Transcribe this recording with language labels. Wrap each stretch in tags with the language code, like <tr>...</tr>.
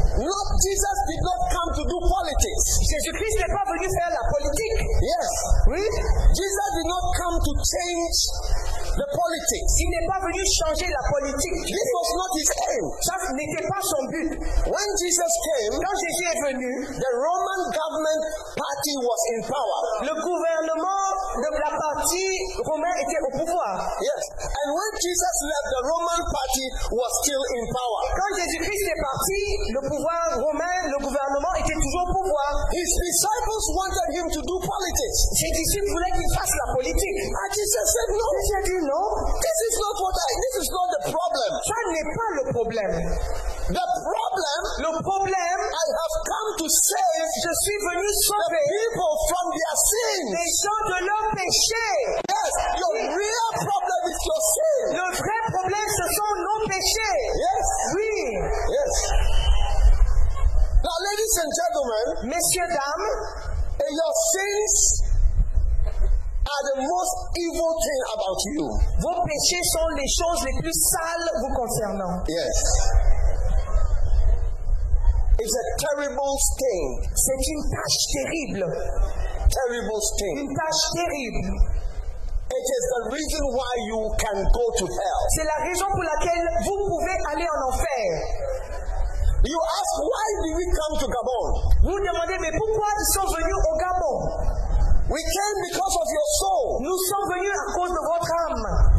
<en>Not Jesus did not come to do politics.</en> <fr>Jésus-Christ n'est pas venu faire la politique.</fr> <en>Yes.</en> <fr>Oui.</fr> <en>Jesus did not come to change the politics.</en> <fr>Il n'est pas venu changer la politique.</fr> <en>This was not his aim.</en> <fr>Ça n'était pas son but.</fr> <en>When Jesus came,</en> <fr>quand Jésus est venu,</fr> <en>the Roman government party was in power.</en> <fr>Le gouvernement de la partie romaine était au pouvoir.</fr> <en>Yes. And when Jesus left, the Roman party was still in power.</en> <fr>Quand Jésus-Christ est parti, le pouvoir romain, le gouvernement était toujours au pouvoir.</fr> <en>His disciples wanted him to do politics.</en> <fr>Ses disciples voulaient qu'il fasse la politique.</fr> <en>And Jesus said no. You know, this is not what I. This is not the problem.</en> <fr>Ça n'est pas le problème.</fr> <en>The problem.</en> <fr>Le problème.</fr> <en>I have come to save.</en> <fr>Je suis venu sauver</fr> <en>the people from their sins.</en> <fr>Les gens de leur péché.</fr> <en>Yes. Your oui. Real problem is your sin.</en> <fr>Le vrai problème, ce sont nos péchés.</fr> <en>Yes.</en> <fr>Oui.</fr> <en>Yes. Now, ladies and gentlemen.</en> <fr>Messieurs, dames.</fr> <en>Your sins are the most evil thing about you.</en> <fr>Vos péchés sont les choses les plus sales vous concernant.</fr> <en>Yes. It's a terrible stain.</en> <fr>C'est une tache terrible.</fr> <en>Terrible stain.</en> <fr>Une tache terrible.</fr> <en>It is the reason why you can go to hell.</en> <fr>C'est la raison pour laquelle vous pouvez aller en enfer.</fr> <en>You ask, why did we come to Gabon?</en> <fr>Vous demandez, mais pourquoi ils sont venus au Gabon?</fr> <en>We came because of your soul.</en> <fr>Nous sommes venus à cause de votre âme.</fr>